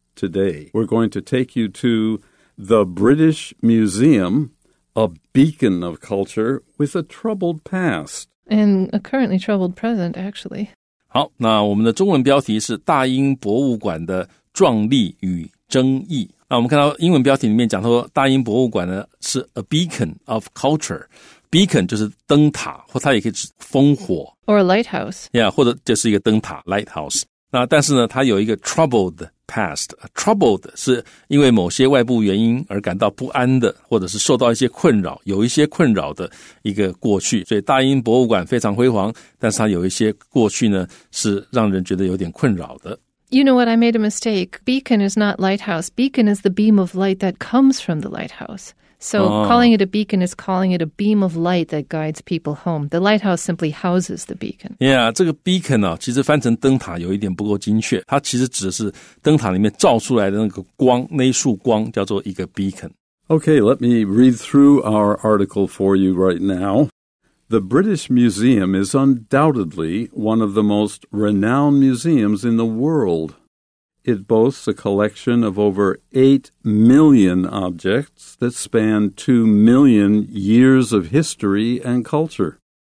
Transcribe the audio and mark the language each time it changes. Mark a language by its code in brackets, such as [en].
[en] Today, we're going to take you to the British Museum, a beacon of culture with a troubled past. And a currently troubled present, actually. [zh] 好，那我们的中文标题是大英博物馆的壮丽与争议。那我们看到英文标题里面讲说大英博物馆呢是 [en] a beacon of culture。 [zh] Beacon 就是灯塔，或它也可以指烽火 [en] ，or a lighthouse， [zh] yeah， 或者就是一个灯塔 lighthouse。那但是呢，它有一个 [en] troubled past。 [zh] Troubled 是因为某些外部原因而感到不安的，或者是受到一些困扰，有一些困扰的一个过去。所以大英博物馆非常辉煌，但是它有一些过去呢是让人觉得有点困扰的。 [en] You know what? I made a mistake. Beacon is not lighthouse. Beacon is the beam of light that comes from the lighthouse. So calling it a beacon is calling it a beam of light that guides people home. The lighthouse simply houses the beacon. [zh] Yeah, 这个 beacon 啊，其实翻成灯塔有一点不够精确。它其实指的是灯塔里面照出来的那个光，那一束光叫做一个 beacon. [en] Okay, let me read through our article for you right now. The British Museum is undoubtedly one of the most renowned museums in the world. It boasts a collection of over 8 million objects that span 2 million years of history and culture.